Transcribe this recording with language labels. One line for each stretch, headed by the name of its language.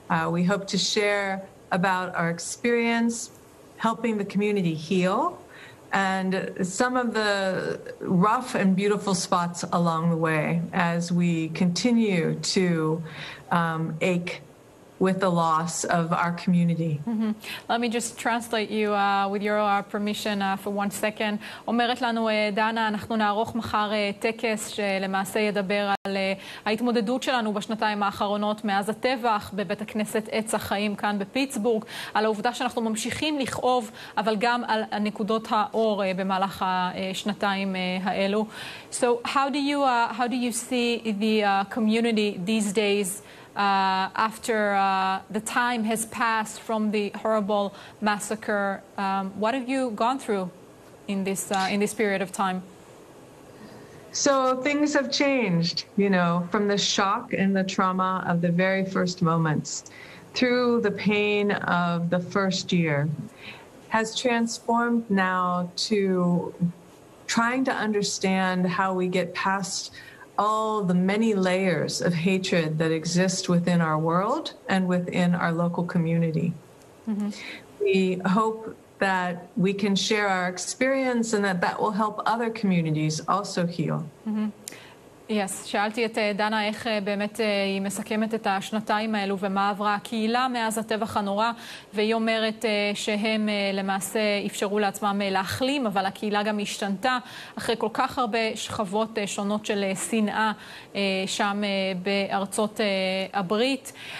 English: We hope to share about our experience helping the community heal and some of the rough and beautiful spots along the way as we continue to ache with the loss of our community. Mm-hmm. Let me just translate you with your permission for one second.
Hebrew: אומרת לנו דנה, אנחנו נערוך מחר טקס שלמעשה ידבר על ההתמודדות שלנו בשנתיים האחרונות מאז הטבח בבית הכנסת עץ החיים כאן בפיטסבורג, על העובדה שאנחנו ממשיכים לכאוב, אבל גם על נקודות האור במהלך השנתיים האלו.
English: So how do you see the community these days after the time has passed from the horrible massacre? What have you gone through in this period of time? So things have changed, you know, from the shock and the trauma of the very first moments through the pain of the first year has transformed now to trying to understand how we get past all the many layers of hatred that exist within our world and within our local community. Mm-hmm. We hope that we can share our experience and that will help other communities also heal. Mm-hmm.
Hebrew: Yes, שאלתי את דנה איך באמת היא מסכמת את השנתיים האלו ומה עברה הקהילה מאז הטבח הנורא, והיא אומרת שהם למעשה אפשרו לעצמם להחלים, אבל הקהילה גם השתנתה אחרי כל כך הרבה שכבות שונות של שנאה שם בארצות הברית.